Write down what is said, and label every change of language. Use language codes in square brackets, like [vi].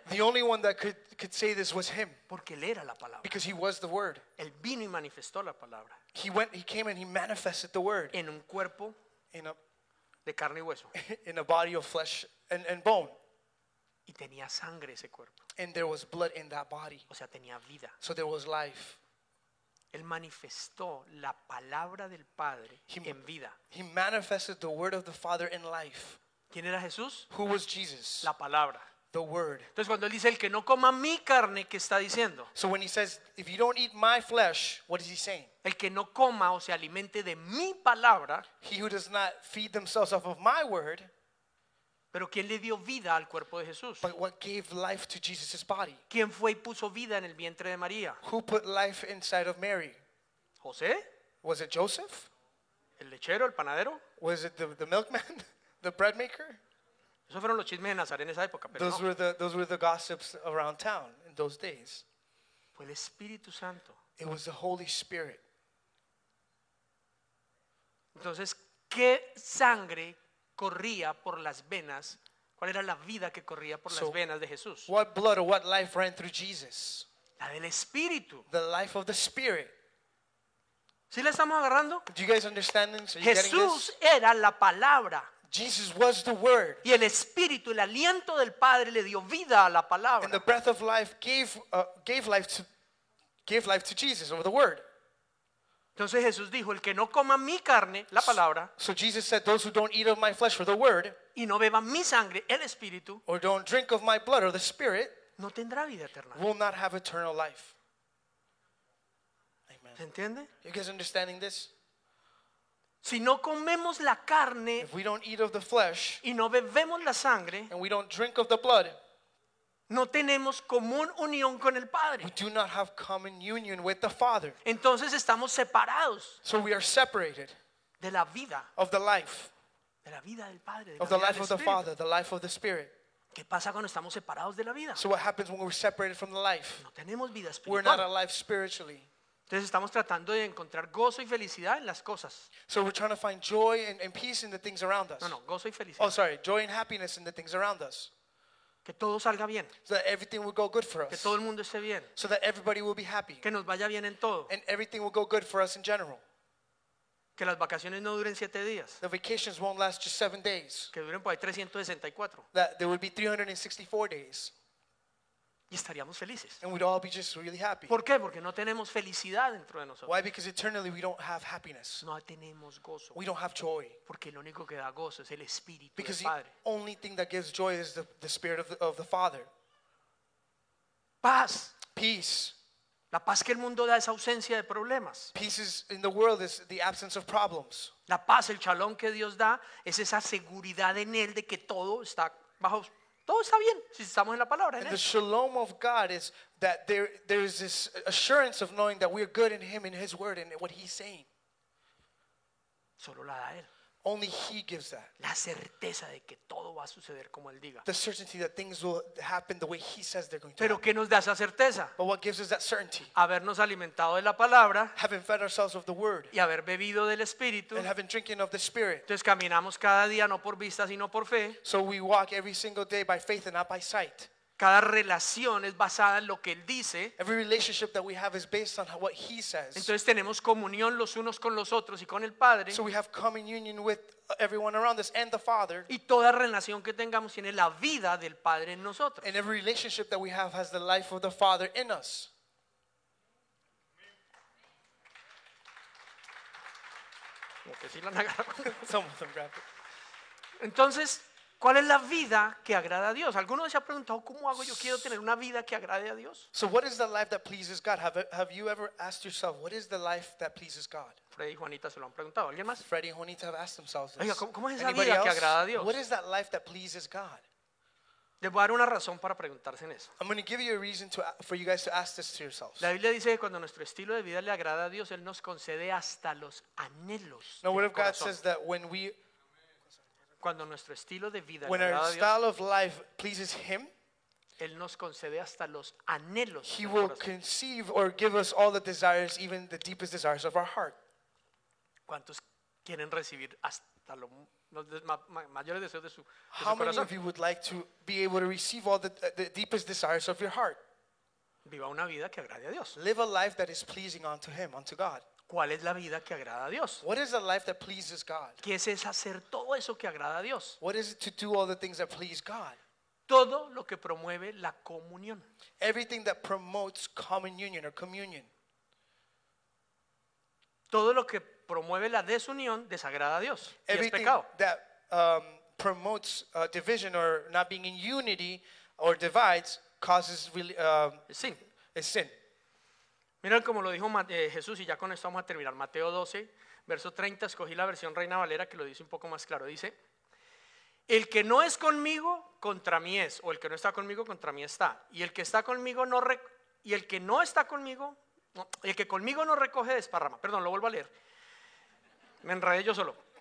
[en] The only one that could say this was him. [es] Porque él era la palabra. [en] Because he was the word. [es] Él vino y manifestó la palabra. [en] He came and he manifested the word. [es] En un cuerpo de carne y hueso. [en] In a body of flesh and bone. [es] Y tenía sangre ese cuerpo. [en] And there was blood in that body. [es] O sea, tenía vida. [en] So there was life. [es] Él manifestó la palabra del Padre en vida. [en] He manifested the word of the Father in life. [es] ¿Quién era Jesús? [en] Who was Jesus? [es] La palabra. [en] The word. [es] Entonces cuando él dice el que no coma mi carne, ¿qué está diciendo? [en] So when he says if you don't eat my flesh, what is he saying? [es] El que no coma o se alimente de mi palabra. [en] He who does not feed themselves off of my word. [es] Pero ¿quién le dio vida al cuerpo de Jesús? [en] But what gave life to Jesus' body? [es] ¿Quién fue y puso vida en el vientre de María? [en] Who put life inside of Mary? [es] ¿José? [en] Was it Joseph? [es] ¿El lechero, el panadero? [en] Was it the milkman, the bread maker? [es] Esos fueron los chismes de Nazaret en esa época, pero [en] those [es] no. [en] Those were the gossips around town in those days. [es] Fue el Espíritu Santo. [en] It was the Holy Spirit. [es] Entonces, ¿qué sangre corría por las venas? ¿Cuál era la vida que corría por las venas de Jesús? [en] What blood or what life ran through Jesus? [es] La del Espíritu. [en] The life of the Spirit. [es] ¿Sí la estamos agarrando? [en] Do you guys understand this? Are you [es] Jesús [en] getting this? [es] Era la palabra. [en] Jesus was the word. [es] Y el Espíritu, el aliento del Padre le dio vida a la palabra. [en] And the breath of life gave life to Jesus or the word. [es] Entonces Jesús dijo, el que no coma mi carne, la palabra, [en] so Jesus said, those who don't eat of my flesh or the word, [es] y no beba mi sangre, el Espíritu, [en] or don't drink of my blood or the Spirit, [es] no tendrá vida eterna. [en] Will not have eternal life. Amen. [es] ¿Se entiende? [en] You guys understanding this? [es] Si no comemos la carne, [en] if we don't eat of the flesh, [es] y no bebemos la sangre, [en] and we don't drink of the blood, [es] no tenemos común unión con el Padre. [en] We do not have common union with the Father. [es] Entonces estamos separados. [en] So we are separated. [es] De la vida. [en] Of the life. [es] De la vida del Padre. [en] Of the life of the Father, the life of the Spirit. [es] ¿Qué pasa cuando estamos separados de la vida? [en] So what happens when we're separated from the life? [es] No tenemos vida espiritual. [en] We're not alive spiritually. [es] Entonces estamos tratando de encontrar gozo y felicidad en las cosas. [en] So we're trying to find joy and peace in the things around us. [es] No, gozo y felicidad. [en] Oh, sorry, joy and happiness in the things around us. [es] Que todo salga bien. [en] So that everything will go good for us. [es] Que todo el mundo esté bien. [en] So that everybody will be happy. [es] Que nos vaya bien en todo. [en] And everything will go good for us in general. [es] Que las vacaciones no duren 7 días. [en] The vacations won't last just 7 days. [es] Que duren por ahí 364. [en] That there will be 364 days. [es] Y estaríamos felices. [en] And we'd all be just really happy. [es] ¿Por qué? Porque no tenemos felicidad dentro de nosotros. [en] Why? Because eternally we don't have happiness. [es] No tenemos gozo. [en] We don't have joy. [es] Porque lo único que da gozo es el Espíritu del [en] Because the only thing that gives joy is the Spirit of the Father. [es] Paz. [en] Peace. [es] La paz que el mundo da es ausencia de problemas. [en] Peace is in the world is the absence of problems. [es] La paz, el shalom que Dios da, es esa seguridad en él de que todo está bajo. Todo está bien, si estamos en la palabra, [en] and the shalom of God is that there is this assurance of knowing that we are good in him, in his word, and what he's saying. [es] Solo la da él. [en] Only he gives that. [es] La certeza de que todo va a suceder como él diga. [en] The certainty that things will happen the way he says they're going to. [es] Pero [en] happen. [es] ¿Qué nos da esa certeza? [en] But what gives us that certainty? [es] Habernos alimentado de la palabra. [en] Having fed ourselves of the word. [es] Y haber bebido del Espíritu. [en] And having drinking of the Spirit. [es] Entonces caminamos cada día no por vista sino por fe. [en] So we walk every single day by faith and not by sight. [es] Cada relación es basada en lo que él dice. [en] Every relationship that we have is based on what he says. [es] Entonces tenemos comunión los unos con los otros y con el Padre. [en] So we have common union with everyone around us and the Father. [es] Y toda relación que tengamos tiene la vida del Padre en nosotros. [en] And every relationship that we have has the life of the Father in us. [es] Como que sí la han agarrado. [en] Some of them grab it. [es] Entonces, ¿Cuál es la vida que agrada a Dios? ¿Alguno se ha preguntado cómo hago yo quiero tener una vida que agrade a Dios? [en] So what is the life that pleases God? Have you ever asked yourself what is the life that pleases God? [es] Freddy y Juanita se lo han preguntado. ¿Alguien más? [en] Freddy and Juanita have asked themselves this. [es] Oiga, ¿cómo es esa vida que agrada a Dios? [en] What is that life that pleases God? [es] Les voy a dar una razón para preguntarse en eso. [en] I'm going to give you a reason to, for you guys to ask this to yourselves. [es] La Biblia dice que cuando nuestro estilo de vida le agrada a Dios, él nos concede hasta los anhelos. [en] Now what if God says that when we [es] cuando nuestro estilo de vida [en] when [es] le agrada [en] our style [es] a Dios, [en] of life pleases him, [es] él nos concede hasta los anhelos. [en] He will conceive or give us all the desires, even the deepest desires of our heart. [es] ¿Cuántos quieren recibir hasta lo mayores deseos de su corazón? [en] How many of you would like to be able to receive all the deepest desires of your heart? [es] Viva una vida que agrade a Dios. [en] Live a life that is pleasing unto him, unto God. [es] ¿Cuál es la vida que agrada a Dios? [en] What is the life that pleases God? [es] ¿Qué es hacer todo eso que agrada a Dios? [en] What is it to do all the things that please God? [es] Todo lo que promueve la comunión. [en] Everything that promotes common union or communion. [es] Todo lo que promueve la desunión desagrada a Dios. [en] Everything [es] y es pecado. [en] That promotes division or not being in unity or divides causes really sin. A sin. [es] Mira como lo dijo Jesús, y ya con esto vamos a terminar. Mateo 12, verso 30, escogí la versión Reina Valera que lo dice un poco más claro. Dice, el que no es conmigo, contra mí es. O el que no está conmigo, contra mí está. Y el que está conmigo, no recoge. Y el que no está conmigo, no, el que conmigo no recoge, desparrama. Perdón, lo vuelvo a leer. Me enredé yo solo.